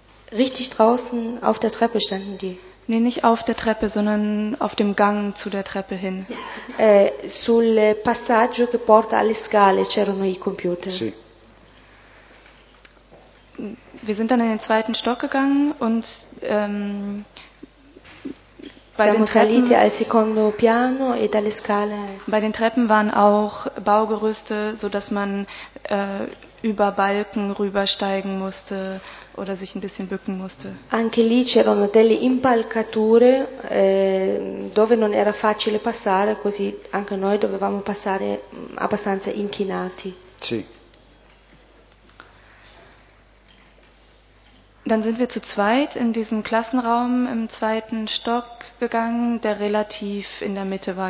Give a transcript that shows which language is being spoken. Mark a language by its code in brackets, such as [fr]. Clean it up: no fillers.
[de] Richtig draußen auf der Treppe standen die. Nee, nicht auf der Treppe, sondern auf dem Gang zu der Treppe hin. [it] Sul passaggio che porta alle scale c'erano i computer. Sì. [de] Wir sind dann in den zweiten Stock gegangen und bei [it] siamo [de] den Treppen, [it] saliti al secondo piano e dalle scale. [de] Bei den Treppen waren auch Baugerüste, so dass man über Balken rübersteigen musste oder sich ein bisschen bücken musste. [it] Anche lì c'erano delle impalcature dove non era facile passare, così anche noi dovevamo passare abbastanza inchinati. Sì. [de] Dann sind wir zu zweit in diesem Klassenraum im zweiten Stock gegangen, der relativ in der Mitte war.